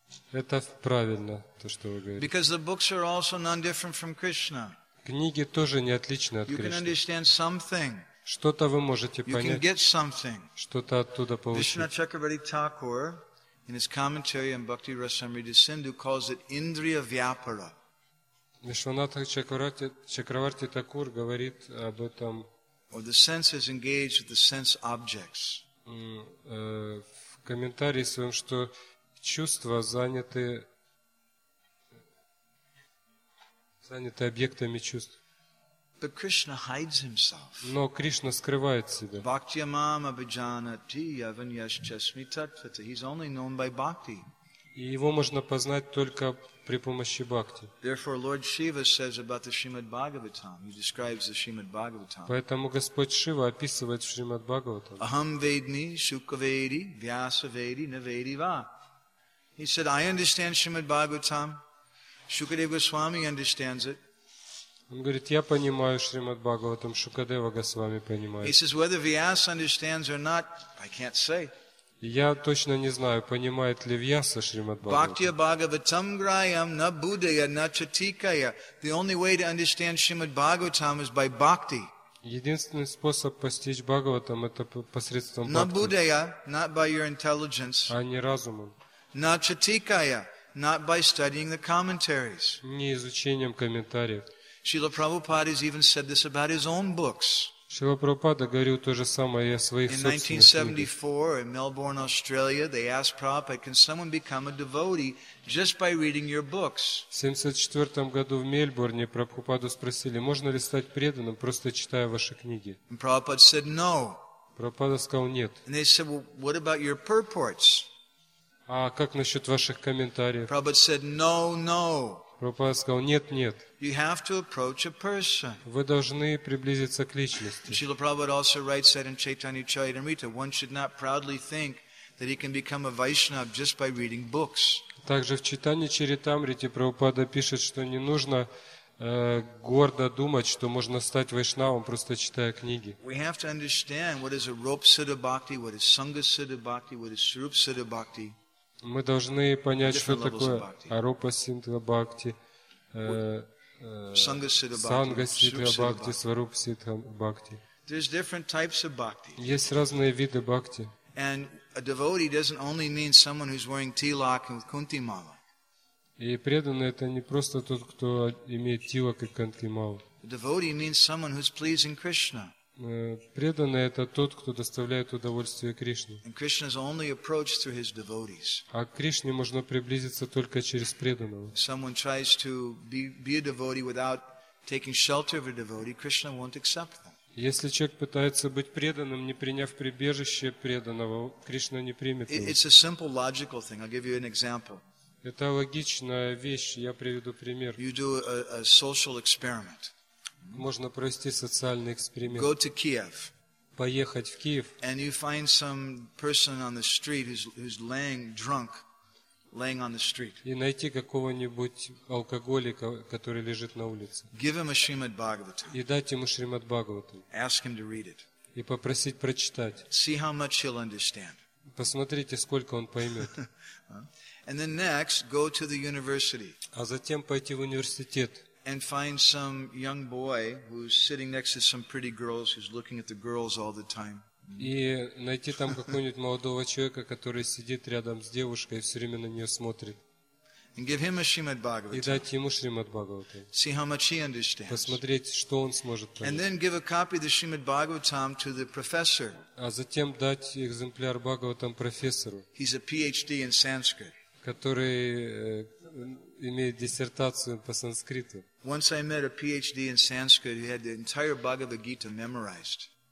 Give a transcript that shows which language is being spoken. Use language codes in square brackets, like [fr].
[ru] это правильно то что вы говорите [en] because the books are also non different from Krishna. [ru] Книги тоже не отличны от Кришны. Что-то вы можете понять. Что-то оттуда получить. [en] Vishnu Chakravarti Thakur In his commentary on Bhakti Rasamrita Sindhu, calls it Indriya Vyapara. [ru] Vishwanatha Chakravarti Thakur говорит об этом. [en] Or the senses engaged with the sense objects. [ru] В комментарии своем, что чувства заняты объектами чувств. [en] But Krishna hides himself. [ru] Но Кришна скрывает себя. [sa] Bhakti mama bhajanati yavanyas chasmitatvata. [en] He's only known by bhakti. [ru] И его можно познать только при помощи бхакти. [en] Therefore, Lord Shiva says about the Shrimad Bhagavatam. He describes the Shrimad Bhagavatam. [ru] Поэтому Господь Шива описывает Шримад Бхагаватам. [sa] Aham vedmi sukhavedi vyasavedi navedi va. [en] He said, I understand Shrimad Bhagavatam. Shukadeva Goswami understands it. [ru] Он говорит, я понимаю Шримад Бхагаватам, Шукадева Госвами понимает. [en] He says, whether Vyas understands or not, I can't say. [ru] Я точно не знаю, понимает ли Вьяса Шримад Бхагаватам. [en] The only way to understand Shrimad Bhagavatam is by bhakti. [ru] Единственный способ постичь Бхагаватам – это посредством [en] bhakti. [sa] Na budaya, [en] not by your intelligence. [ru] А не разумом. [sa] Na chatikaya, [en] not by studying the commentaries. [ru] Не изучением комментариев. [en] Srila Prabhupada has even said this about his own books. [ru] Srila Prabhupada говорил то же самое и о своих собственных книгах. [en] In 1974, in Melbourne, Australia, they asked Prabhupada, can someone become a devotee just by reading your books? [ru] В 1974 году в Мельбурне Прабхупаду спросили, можно ли стать преданным, просто читая ваши книги? [en] And Prabhupada said, no. [ru] Прабхупада сказал, нет. [en] And they said, well, what about your purports? [ru] А как насчет ваших комментариев? [en] Prabhupada said, no, no. [ru] Прабхупада сказал, нет, нет. [en] You have to approach a person. [ru] Вы должны приблизиться к личности. [en] Srila Prabhupada also writes that in Chaitanya Charitamrita, one should not proudly think that he can become a Vaishnav just by reading books. [ru] Также в Чайтанья Чаритамрите Прабхупада пишет, что не нужно гордо думать, что можно стать вайшнавом, просто читая книги. [en] We have to understand what is a Rupa Siddha Bhakti, what is Sangha Siddha Bhakti, what is Sarupa Siddha Bhakti. [ru] Мы должны понять, что такое Арупа Сиддха Бхакти, Санга Сиддха Бхакти, Сваруп Сиддха Бхакти. [en] There's different types of bhakti. [ru] Есть разные виды бхакти. [en] And a devotee doesn't only mean someone who's wearing tilak and kunti mala. [ru] И преданный это не просто тот, кто имеет тилак и кунти мала. [en] A devotee means someone who's pleasing Krishna. [ru] Преданный – это тот, кто доставляет удовольствие Кришне. [en] And Krishna's only approached through his devotees. [ru] А к Кришне можно приблизиться только через преданного. [en] Someone tries to be a devotee without taking shelter of a devotee, Krishna won't accept them. [ru] Если человек пытается быть преданным, не приняв прибежище преданного, Кришна не примет его. [en] It's a simple logical thing. I'll give you an example. [ru] Это логичная вещь. Я приведу пример. [en] You do a social experiment. [ru] Можно провести социальный эксперимент. [en] Go to Kiev. [ru] Поехать в Киев. [en] And you find some person on the street who's laying drunk, laying on the street. [ru] И найти какого-нибудь алкоголика, который лежит на улице. [en] Give him a Shrimad Bhagavatam. [ru] И дать ему Шримад Бхагаватам. [en] Ask him to read it. [ru] И попросить прочитать. [en] See how much he'll understand. [ru] Посмотрите, сколько он поймет. [en] And then next, go to the university. [ru] А затем пойти в университет. [en] And find some young boy who's sitting next to some pretty girls who's looking at the girls all the time. [ru] И найти там какого-нибудь молодого человека, который сидит рядом с девушкой и все время на нее смотрит. [en] And give him a Shrimad Bhagavatam. [ru] И дать ему Шримад Бхагаватам. [en] See how much he understands. [ru] Посмотреть, что он сможет понять. [en] And then give a copy of the Shrimad Bhagavatam to the professor. [ru] А затем дать экземпляр Бхагаватам профессору. [en] He's a PhD in Sanskrit. [ru] Который имеет диссертацию по санскриту. [en] Once I met a PhD in Sanskrit who had the entire Bhagavad Gita memorized.